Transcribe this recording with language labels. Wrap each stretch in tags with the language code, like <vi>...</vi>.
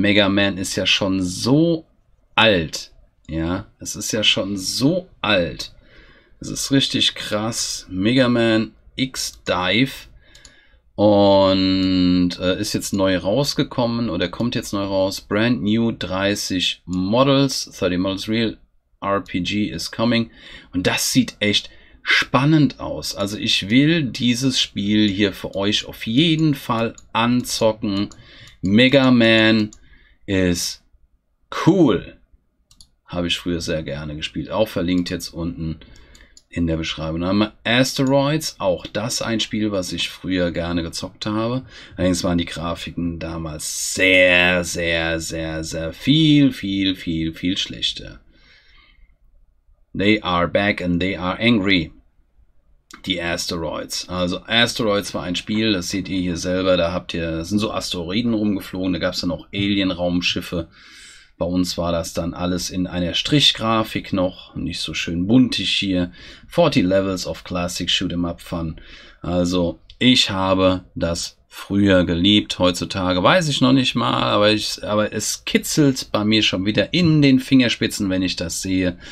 <de>Mega Man ist ja schon so alt. Ja, es ist ja schon so alt. Es ist richtig krass. Mega Man X Dive. Und ist jetzt neu rausgekommen oder kommt jetzt neu raus.</de> <en>Brand new 30 Models, 30 Models Real RPG is coming.</en> <de>Und das sieht echt spannend aus. Also ich will dieses Spiel hier für euch auf jeden Fall anzocken. Mega Man ist cool. Habe ich früher sehr gerne gespielt. Auch verlinkt jetzt unten. In der Beschreibung haben wir Asteroids, auch das ein Spiel, was ich früher gerne gezockt habe. Allerdings waren die Grafiken damals sehr, sehr, sehr, sehr viel, viel, viel, viel schlechter.</de> <en>They are back and they are angry.</en> <de>Die Asteroids. Also Asteroids war ein Spiel, das seht ihr hier selber, da habt ihr, sind so Asteroiden rumgeflogen, da gab es dann auch Alien-Raumschiffe. Bei uns war das dann alles in einer Strichgrafik noch, nicht so schön buntig hier.</de> <en>40 Levels of Classic Shoot'em Up Fun.</en> <de>Also ich habe das früher geliebt, heutzutage weiß ich noch nicht mal, aber es kitzelt bei mir schon wieder in den Fingerspitzen, wenn ich das sehe.</de>